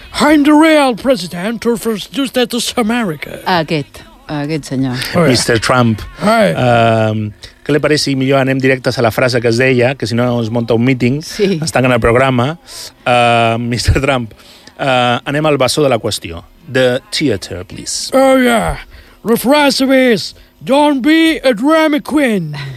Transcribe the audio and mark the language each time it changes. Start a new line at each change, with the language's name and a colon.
English: I'm the real president of the United States of America.
Catalan: Aquest senyor.
English: Oh, yeah. Mr. Trump. Hey.
Catalan: Què li pareix si millor anem directes a la frase que es deia, que si no es munta un meeting, sí. Es tanquen el programa. Mr. Trump, anem al bessó de la qüestió.
English: The theater, please. Oh, yeah. The phrase is, don't be a drama queen.